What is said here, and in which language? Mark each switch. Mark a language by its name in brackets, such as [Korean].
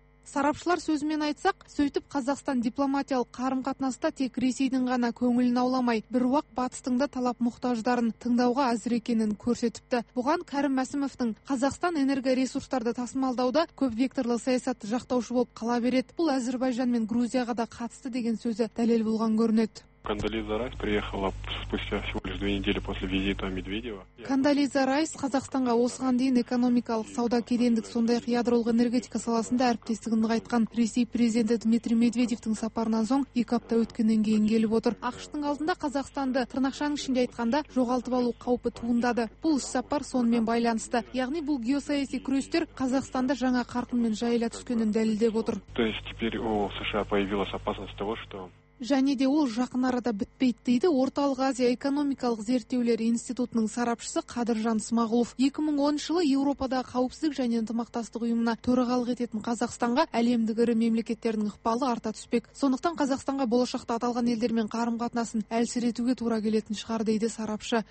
[Kazakh] Сарапшылар сөзімен айтсақ, сөйтіп Қазақстан дипломатиялық қарым-қатынаста тек Ресейдің ғана көңілін ауламай, бір уақ батыстың да талап мұқтаждарын тыңдауға әзір екенін көрсетіпті. Бұған Кәрім Мәсімовтің Қазақстан энергоресурстарды тасымалдауда көп векторлы саясатты жақтаушы болып қала береді. Бұл Әзербайжан мен Грузияға да қатысты деген сөзі дәлел болған көрінеді. [Russian] Кондолиза Райс приехала спустя всего лишь 2 недели после визита Медведева. [Kazakh] Кондолиза Райс Қазақстанға осыған дейін экономикалық сауда кедендік сондай-ақ ядролық энергетика саласында әріптестігін нығайтқан Ресей президенті Дмитрий Медведевтің сапарынан соң 2 апта өткеннен кейін келіп отыр. АҚШ-тың алдында Қазақстанды тырнақшаның ішінде айтқанда жоғалтып алу қаупі туындады. Бұл сапар сонымен байланысты. Яғни бұл геосаяси күрестер Қазақстанды жаңа қарқынмен жайыла түскенін дәлелдеп отыр. [Russian] То есть теперь у США появилась опасность того, что [Kazakh] Және де ол жақын арада бітпейт дейді Орталық Азия экономикалық зерттеулер институтының сарапшысы Қадыржан Смағұлов. 2010 жылы Еуропада қауіпсіздік және ынтымақтастық ұйымына төрағалық ететін Қазақстанға әлемдік ірі мемлекеттердің ықпалы арта түспек. Сондықтан Қазақстанға болашақта аталған елдермен қарым-қатынасын әлсіретуге тура келетін шығар дейді сарапшы.